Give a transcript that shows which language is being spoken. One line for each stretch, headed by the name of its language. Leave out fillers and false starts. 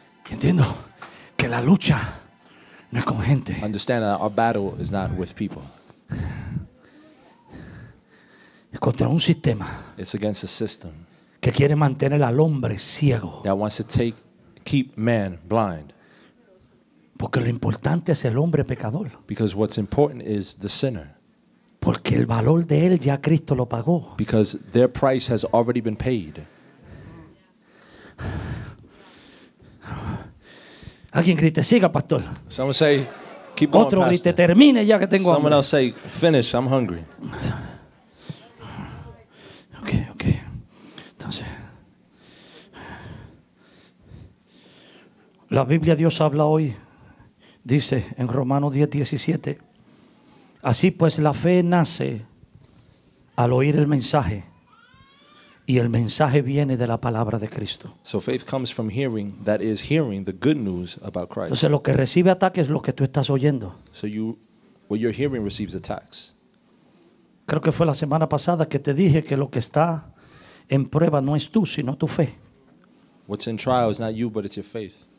Spanish: Entiendo que la lucha no es con gente.
English: Understand that our battle is not with people.
Spanish: Es contra un sistema.
English: It's against a system.
Spanish: Que quiere mantener al hombre ciego.
English: That wants to keep man blind.
Spanish: Porque lo importante es el hombre pecador.
English: Because what's important is the sinner.
Spanish: Porque el valor de él ya Cristo lo pagó.
English: Because their price has already been paid.
Spanish: Alguien grite, siga, pastor.
English: Someone say, keep going,
Spanish: otro grite, termine ya que tengo
English: someone
Spanish: hambre.
English: Someone else say, finish, I'm hungry.
Spanish: Okay. Entonces, la Biblia Dios habla hoy. Dice en Romanos 10:17, así pues la fe nace al oír el mensaje, y el mensaje viene de la palabra de Cristo.
English: So faith comes from hearing, that is hearing the good news about Christ.
Spanish: Entonces lo que recibe ataque es lo que tú estás oyendo.
English: So you, what you're hearing receives attacks.
Spanish: Creo que fue la semana pasada que te dije que lo que está en prueba no es tú, sino tu fe.
English: What's in trial is not you, but it's your faith.